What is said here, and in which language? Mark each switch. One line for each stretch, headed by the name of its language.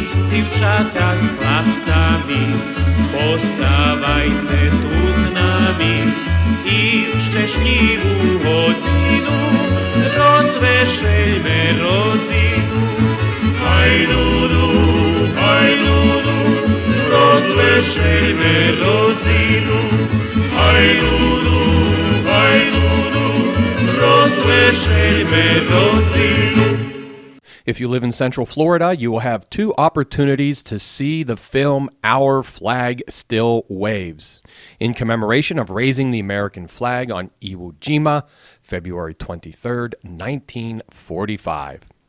Ukrainian: Дівчата з хлопцями, поставайте ту з нами, і в щасливу годину розвешельме родзину. Ай-ну-ну, ай-ну-ну, розвешельме родзину. Ай-ну-ну, ай-ну-ну, розвешельме родзину.
English: If you live in Central Florida, you will have two opportunities to see the film Our Flag Still Waves, in commemoration of raising the American flag on Iwo Jima, February 23rd, 1945.